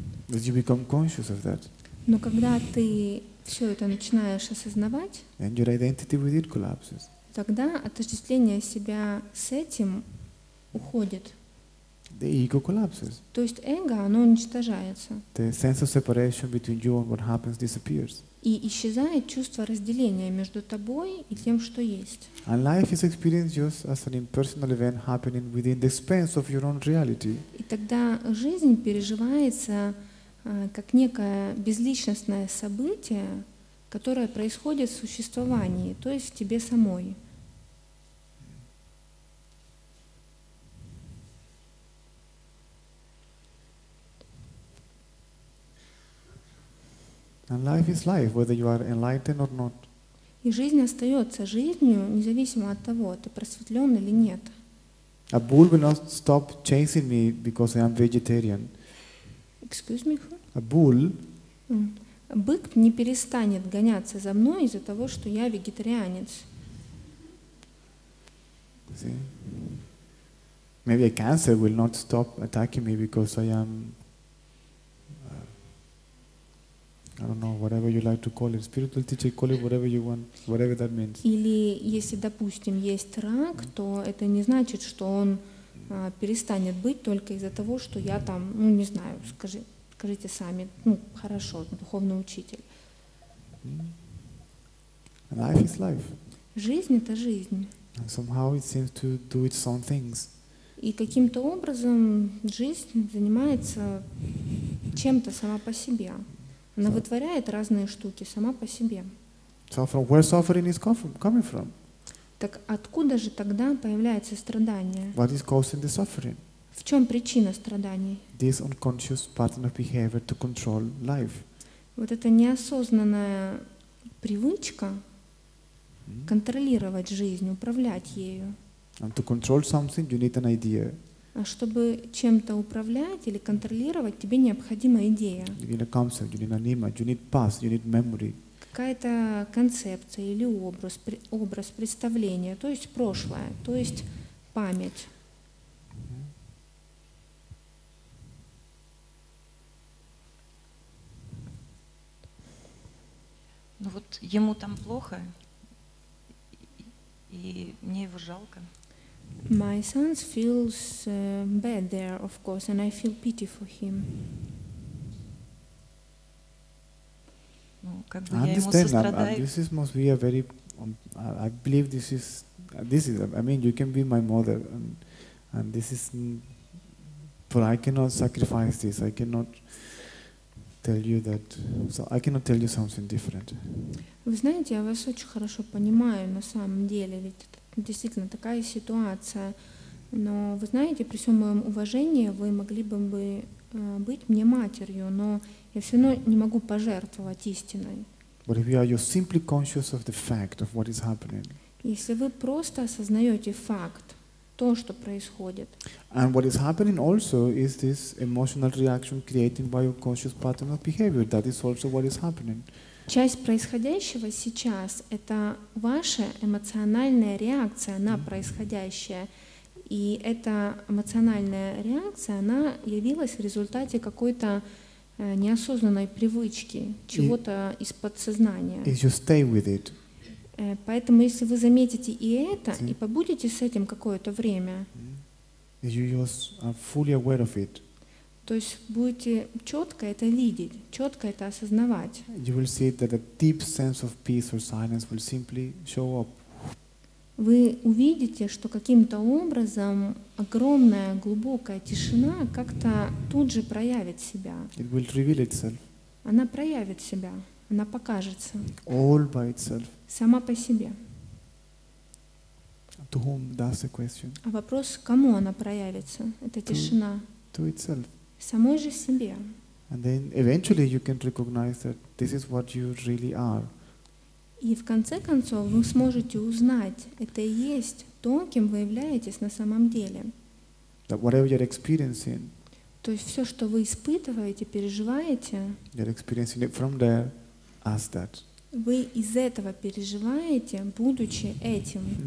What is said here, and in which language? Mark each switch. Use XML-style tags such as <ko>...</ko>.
<en>You become conscious of that.</en> <ru>Но когда ты все это начинаешь осознавать,</ru> <en>and your identity with it collapses.</en> <ru>Тогда отождествление себя с этим уходит.</ru> <en>The ego collapses.</en> <ru>То есть эго, оно уничтожается.</ru> <en>The sense of separation between you and what happens disappears.</en> <ru>И исчезает чувство разделения между тобой и тем, что есть.</ru> <en>And life is experienced just as an impersonal event happening within the expanse of your own reality.</en> <ru>И тогда жизнь переживается как некое безличностное событие, которое происходит в существовании, то есть в тебе самой.</ru> <en>And life is life, whether you are enlightened or not.</en> <ru>И жизнь остается жизнью, независимо от того, ты просветлен или нет.</ru> <en>A bull will not stop chasing me because I am vegetarian. Excuse me, who? A bull.</en> <ru>Бык не перестанет гоняться за мной из-за того, что я вегетарианец.</ru> <en>See? Maybe a cancer will not stop attacking me because I am, I don't know, whatever you like to call it, spiritual teacher, call it whatever you want, whatever that means.</en> <ru>Или если, допустим, есть рак, то это не значит, что он перестанет быть только из-за того, что я там, ну не знаю, скажите сами, ну хорошо, духовный учитель.</ru> <en>Life is life.</en> <ru>Жизнь — это жизнь.</ru> <en>And somehow it seems to do its own things.</en> <ru>И каким-то образом жизнь занимается чем-то сама по себе. Она вытворяет разные штуки сама по себе.</ru> <en>So from where suffering is coming from?</en> <ru>Так откуда же тогда появляется страдание?</ru> <en>What is causing the suffering?</en> <ru>В чем причина страданий?</ru> <en>This unconscious pattern of behavior to control life.</en> <ru>Вот эта неосознанная привычка контролировать жизнь, управлять ею.</ru> <en>And to control something, you need an idea.</en> <ru>А чтобы чем-то управлять или контролировать, тебе необходима идея.</ru> <en>You need a concept, you need an image, you need past, you need memory.</en> <ru>Какая-то концепция или образ, образ, представление, то есть прошлое, то есть память. Ну вот ему там плохо, и мне его жалко.</ru> <en>My son feels bad there, of course, and I feel pity for him.</en> <ru>Ну, как бы</ru> <en>I understand. This is must be a very. I believe this is. This is. I mean, you can be my mother, and this is. But I cannot sacrifice this. I cannot tell you that. So I cannot tell you something different.</en> <ru>Вы знаете, я вас очень хорошо понимаю на самом деле, ведь это действительно такая ситуация. Но вы знаете, при всем моем уважении, вы могли бы быть мне матерью, но я все равно не могу пожертвовать истиной.</ru> <en>But if you are simply conscious of the fact of what is happening.</en> <ru>Если вы просто осознаете факт, то, что происходит.</ru> <en>And what is happening also is this emotional reaction created by your conscious pattern of behavior. That is also what is happening.</en> <ru>Часть происходящего сейчас — это ваша эмоциональная реакция на происходящее. И эта эмоциональная реакция, она явилась в результате какой-то неосознанной привычки, чего-то из подсознания.</ru> <en>If you stay with it.</en> <ru>Поэтому если вы заметите и это, и побудете с этим какое-то время, то есть будете четко это видеть, четко это осознавать.</ru> <en>You will see that a deep sense of peace or silence will simply show up.</en> <ru>вы увидите, что каким-то образом огромная глубокая тишина как-то тут же проявит себя.</ru> <en>It will reveal itself.</en> <ru>Она проявит себя, она покажется.</ru> <en>All by itself.</en> <ru>Сама по себе.</ru> <en>To whom does the question?</en> <ru>А вопрос, кому она проявится, эта тишина?</ru> <en>To itself.</en> <ru>Самой же себе.</ru> <en>And then eventually you can recognize that this is what you really are.</en> <ru>И в конце концов вы сможете узнать, это и есть то, кем вы являетесь на самом деле.</ru> <en>That whatever you're experiencing.</en> <ru>То есть все, что вы испытываете, переживаете.</ru> <en>You're experiencing it from there as that.</en> <ru>Вы из этого переживаете, будучи этим.</ru>